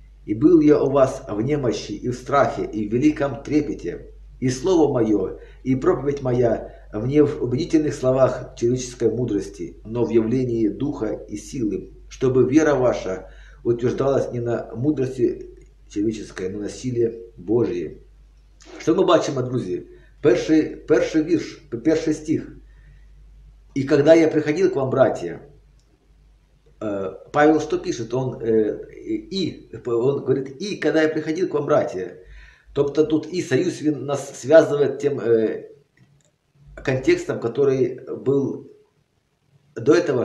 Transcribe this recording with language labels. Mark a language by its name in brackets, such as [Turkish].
[Russian] И был я у вас в немощи, и в страхе, и в великом трепете. И слово мое, и проповедь моя не в убедительных словах человеческой мудрости, но в явлении Духа и силы, чтобы вера ваша утверждалась не на мудрости человеческой, но на силе Божьей. Что мы бачим, друзья? [Ukrainian] Перший вірш, перший стих. [Russian] И когда я приходил к вам, братья, Павел что пишет? Он говорит, и когда я приходил к вам, братья, то тут и союз нас связывает тем контекстом, который был до этого.